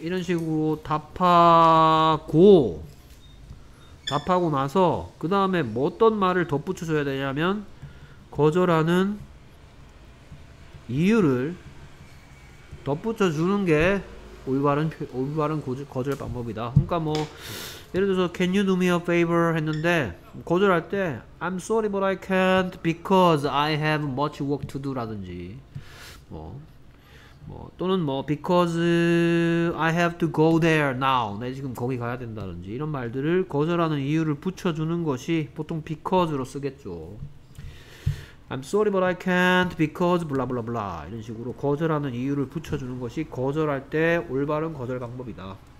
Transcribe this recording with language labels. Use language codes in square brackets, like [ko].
[ko] 이런 식으로 답하고 나서 그 다음에 어떤 말을 덧붙여줘야 되냐면 거절하는 이유를 덧붙여주는 게 올바른 거절 방법이다. 그러니까 뭐 예를 들어서 [en] Can you do me a favor? [ko] 했는데 거절할 때 [en] I'm sorry but I can't because I have much work to do [ko] 라든지 또는 [en] because I have to go there now. [ko] 내 지금 거기 가야 된다든지 이런 말들을 거절하는 이유를 붙여주는 것이 보통 because로 쓰겠죠. [en] I'm sorry but I can't because blah blah [ko] blah 이런 식으로 거절하는 이유를 붙여주는 것이 거절할 때 올바른 거절 방법이다.